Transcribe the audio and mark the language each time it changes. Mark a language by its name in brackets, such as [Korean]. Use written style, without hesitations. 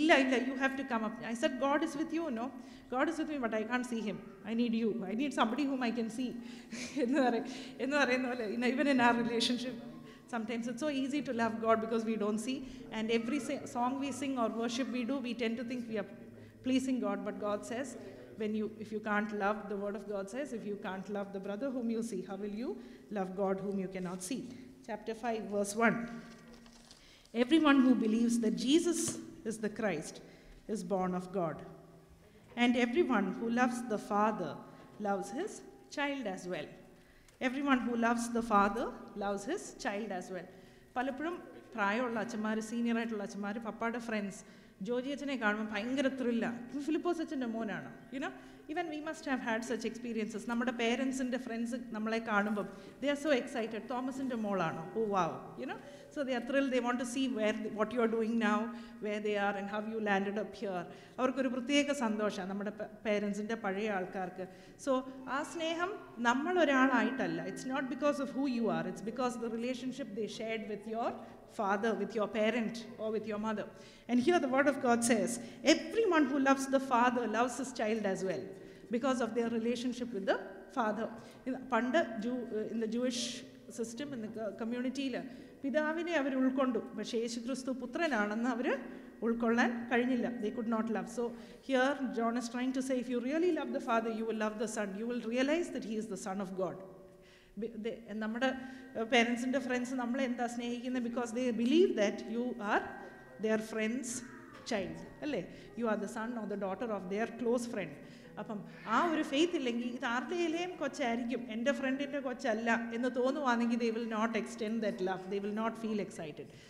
[Malayalam] ഇല്ല ഇല്ല, [English] You have to come up. I said God is with you, no God is with me, but I can't see him, I need you, I need somebody whom I can see [Malayalam] എന്ന് പറയും, എന്ന് പറയുന്ന പോലെ [English] Even in our relationship sometimes it's so easy to love God because we don't see. And every song we sing or worship we do, we tend to think we are pleasing God. But God says when you, if you can't love the word of God says, if you can't love the brother whom you see, how will you love God whom you can not see. Chapter 5 verse 1. Everyone who believes that Jesus is the Christ is born of God. And everyone who loves the Father loves his child as well. Everyone who loves the Father loves his child as well. [Malayalam] പലപ്പോഴും പ്രായമുള്ള അച്ഛന്മാർ, senior ആയിട്ടുള്ള അച്ഛന്മാർ, പപ്പയുടെ friends Joji അച്ഛനെ കാണുമ്പോൾ ഭയങ്കര ത്രില്ലാണ്. ഇപ്പം ഫിലിപ്പോസ് അച്ഛൻ്റെ മോനാണ്, [English] You know. Even we must have had such experiences. [Malayalam] നമ്മുടെ പേരൻസിൻ്റെ ഫ്രണ്ട്സ് നമ്മളെ കാണുമ്പം [English] they are so excited, [Malayalam] തോമസിൻ്റെ മോളാണോ, [English] Oh wow, you know. So they are thrill, they want to see where what you are doing now, where they are and how you landed up here. [Malayalam] അവർക്കൊരു പ്രത്യേക സന്തോഷമാണ്, നമ്മുടെ പേരൻസിൻ്റെ പഴയ ആൾക്കാർക്ക്. [English] so [Malayalam] ആ സ്നേഹം നമ്മളൊരാളായിട്ടല്ല, [English] It's not because of who you are, it's because the relationship they shared with your Father, with your parent or with your mother. And here the word of God says, everyone who loves the father loves his child as well because of their relationship with the father. In the Jewish system, in the community, [Malayalam] പിതാവിനെ അവർ ഉൾക്കൊണ്ടു, പക്ഷേ യേശുക്രിസ്തു പുത്രനാണെന്ന് അവർ ഉൾക്കൊള്ളാൻ കഴിഞ്ഞില്ല. [English] They could not love. So here John is trying to say, if you really love the father, you will love the son. You will realize that he is the son of God. [Malayalam] നമ്മുടെ പേരൻസിൻ്റെ friends നമ്മളെന്താ സ്നേഹിക്കുന്നത്, [English] Because they believe that you are their friends child, അല്ലേ. You are the son or the daughter of their close friend. [Malayalam] അപ്പം ആ ഒരു faith ഇല്ലെങ്കിൽ ഇത് ആർദ്ദയിലെയും കൊച്ചായിരിക്കും, എൻ്റെ ഫ്രണ്ടിൻ്റെ കൊച്ചല്ല എന്ന് തോന്നുവാണെങ്കിൽ [English] They will not extend that love, they will not feel excited.